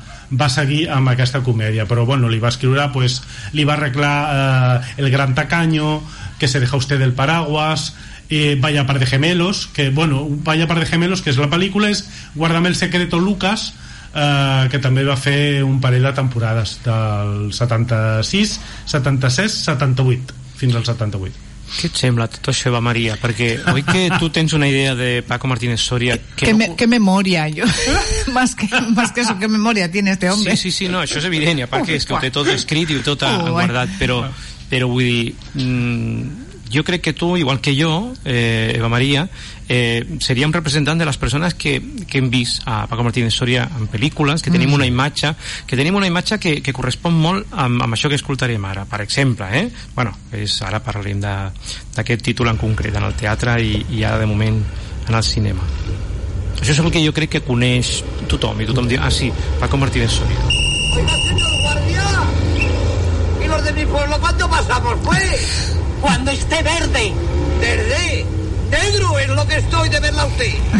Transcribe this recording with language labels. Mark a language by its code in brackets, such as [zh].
[ca] va seguir amb aquesta comèdia, però bueno, li va escriure, pues, li va arreglar El gran tacaño, Que se deja usted del paraguas, Vaya par de gemelos, que bueno, Vaya par de gemelos, que és la pel·lícula, és Guárdame el secreto, Lucas, que també va fer un parell de temporades del 76, 76, 78, fins al 78. Què et sembla tot això, Eva Maria? Perquè oi que tu tens una idea de Paco Martínez Soria... Que memòria, jo. [es] Más que eso, que memòria tiene este hombre. [ca] Sí, sí, sí, no, això és evident, i a part que és que ho té tot escrit i ho té tot guardat, però vull dir... jo crec que tu, igual que jo, Eva Maria, seríem representant de les persones que hem vist a Paco Martínez Soria en pel·lícules, que tenim una imatge, que correspon molt amb això que escoltarem ara, per exemple, eh? Bueno, és, ara parlarem d'aquest títol en concret, en el teatre i ara de moment en el cinema. Això és el que jo crec que coneix tothom, i tothom diu, ah sí, Paco Martínez Soria. [es] Oiga, señor guardia, ¿y los de mi pueblo cuándo pasamos, pues? Cuando esté verde. ¿Verde? Negro es lo que estoy de verla a usted.